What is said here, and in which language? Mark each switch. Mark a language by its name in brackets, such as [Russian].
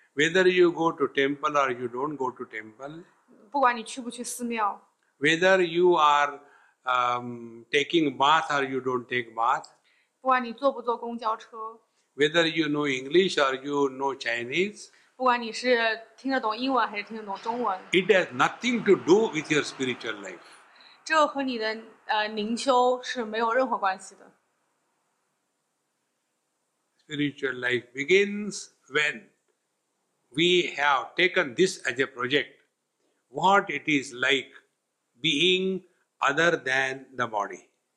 [English] whether you go to temple or you don't go to temple, [Chinese] 不管你去不去寺庙, [English] whether you are taking bath or you don't take bath, [Chinese] 不管你坐不坐公交车, [English] whether you know English or you know Chinese, [Chinese] 不管你是听得懂英文还是听得懂中文, [English] it has nothing to do with your spiritual life. [Chinese] 这和你的, 灵修是没有任何关系的。 [English] Spiritual life begins when we have taken this as a project. What it is like being other than the body.